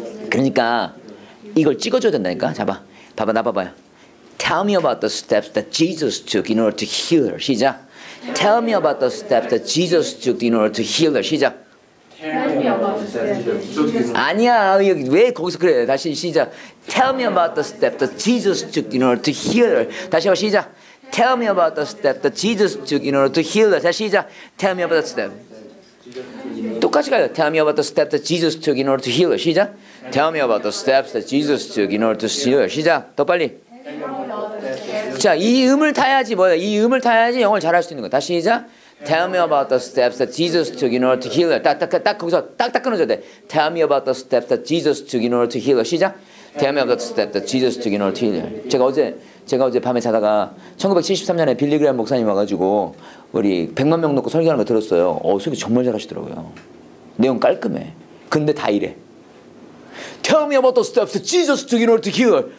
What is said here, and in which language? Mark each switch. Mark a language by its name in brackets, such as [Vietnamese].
[Korean] 그러니까 이걸 찍어줘야 된다니까. 잡아. 봐봐, 나 봐봐요. [English] Tell me about the steps that Jesus took in order to heal her. [Korean] 시작. [English] Tell me about the steps that Jesus took in order to heal her. [Korean] 시작. [English] Tell me about the steps. [Korean] 아니야, 왜 거기서 그래? 다시 시작. [English] Tell me about the steps that Jesus took in order to heal her. [Korean] 다시 한번 시작. [English] Tell me about the steps that Jesus took in order to heal her. [Korean] 다시 시작. [English] Tell me about the steps. [Korean] 똑같이 가요. [English] Tell me about the steps that Jesus took in order to heal her. [Korean] 시작. [English] Tell me about the steps that Jesus took in order to heal her. [Korean] 시작. 더 빨리. 자, 이 음을 타야지 뭐야? 이 음을 타야지 영어를 잘할 수 있는 거야. 다시 시작. [English] Tell me about the steps that Jesus took in order to heal her. [Korean] 딱 거기서 딱 끊어줘야 돼. [English] Tell me about the steps that Jesus took in order to heal her. [Korean] 시작. [English] Tell me about the steps that Jesus took in order to heal her. [Korean] 제가 어제 밤에 자다가 1973년에 빌리 그레이엄 목사님 와가지고 우리 100만 명 놓고 설교하는 거 들었어요. 설교 정말 잘하시더라고요. 내용 깔끔해. 근데 다 이래. [English] Tell me about the steps that Jesus took in order to heal her.